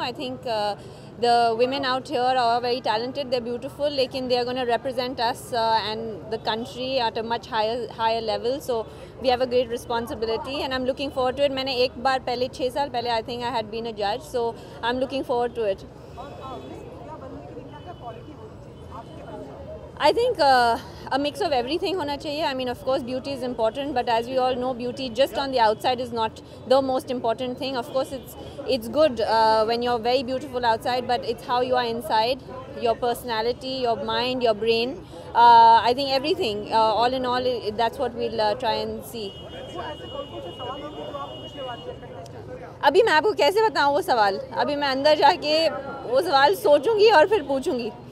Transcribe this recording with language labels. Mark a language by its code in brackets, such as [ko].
[en] I think the women out here are very talented. They are beautiful लेकिन they are gonna represent us and the country at a much higher level. So we have a great responsibility and I am looking forward to it. [hi] मैंने एक बार पहले 6 साल पहले [en] I think I had been a जज. सो I am looking forward to it. I think a mix of everything [hi] hona chahiye. [en] I mean of course beauty is important but as we all know beauty just on the outside is not the most important thing. Of course it's good when you're very beautiful outside but it's how you are inside, your personality, your mind, your brain. I think everything all in all that's what we'll try and see. [hi] अभी मैं आपको कैसे बताऊं वो सवाल. अभी मैं अंदर जाके वो सवाल सोचूंगी और फिर पूछूंगी.